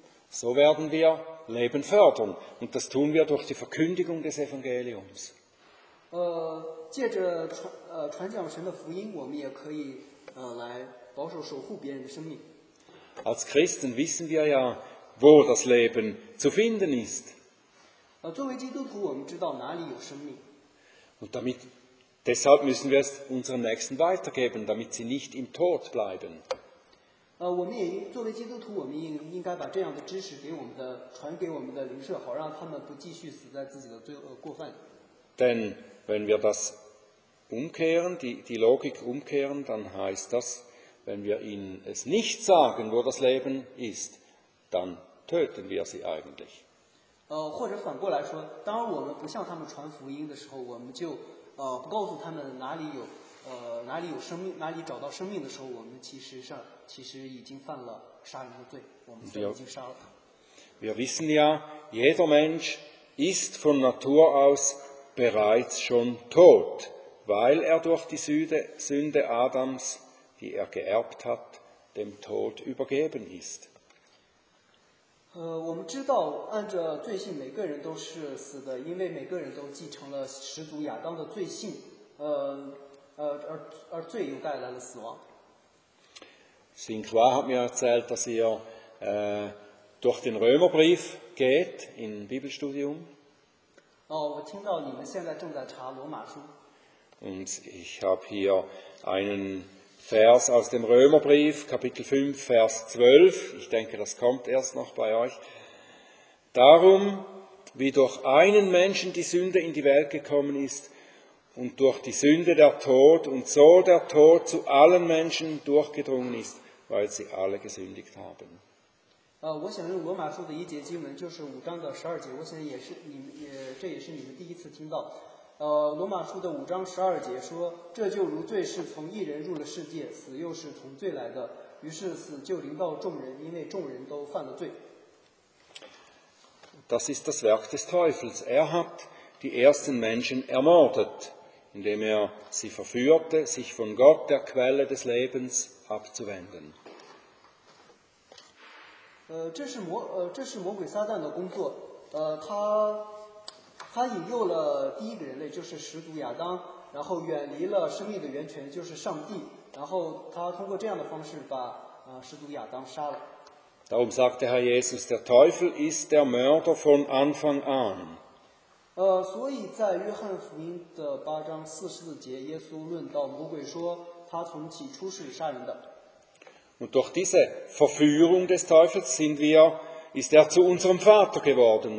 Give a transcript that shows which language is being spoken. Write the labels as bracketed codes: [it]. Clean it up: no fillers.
[de] So werden wir Leben fördern, und das tun wir durch die Verkündigung des Evangeliums. [zh] 借着传讲神的福音，我们也可以来保守守护别人的生命。 [de] Als Christen wissen wir ja, wo das Leben zu finden ist. [zh] 作为基督徒，我们知道哪里有生命。 [de] Und deshalb müssen wir es unseren Nächsten weitergeben, damit sie nicht im Tod bleiben. [zh] 我们也作为基督徒，我们应该把这样的知识传给我们的邻舍，好让他们不继续死在自己的罪恶过犯。 [de] Denn wenn wir das umkehren, die Logik umkehren, dann heißt das, wenn wir ihnen es nicht sagen, wo das Leben ist, dann töten wir sie eigentlich. [zh] 或者反过来说，当我们不向他们传福音的时候，我们就不告诉他们哪里有生命，哪里找到生命的时候，我们其实已经犯了杀人的罪，我们已经杀了。 [de] Wir wissen ja, jeder Mensch ist von Natur aus bereits schon tot, weil durch die Sünde Adams, die geerbt hat, dem Tod übergeben ist. [zh] 我们知道，按着罪性，每个人都是死的，因为每个人都继承了始祖亚当的罪性，而罪又带来了死亡。 [de] Sinclair hat mir erzählt, dass durch den Römerbrief geht im Bibelstudium. [zh] 我听到你们现在正在查罗马书。 [de] Und ich habe hier einen Vers aus dem Römerbrief, Kapitel 5, Vers 12. Ich denke, das kommt erst noch bei euch. Darum, wie durch einen Menschen die Sünde in die Welt gekommen ist und durch die Sünde der Tod und so der Tod zu allen Menschen durchgedrungen ist, weil sie alle gesündigt haben. [zh] 我想用罗马书的一节经文，就是五章的十二节。我想也是你们，这也是你们第一次听到。罗马书的五章十二节说，这就如罪是从一人入了世界，死又是从罪来的，于是死就临到众人，因为众人都犯了罪。 [de] Das ist das Werk des Teufels. Er hat die ersten Menschen ermordet, indem er sie verführte, sich von Gott, der Quelle des Lebens, abzuwenden. [zh] 这是魔鬼撒旦的工作，他引诱了第一个人类，就是始祖亚当，然后远离了生命的源泉，就是上帝，然后他通过这样的方式把始祖亚当杀了。 [de] Darum sagte Herr Jesus, der Teufel ist der Mörder von Anfang an. Und durch diese Verführung des Teufels ist er zu unserem Vater geworden.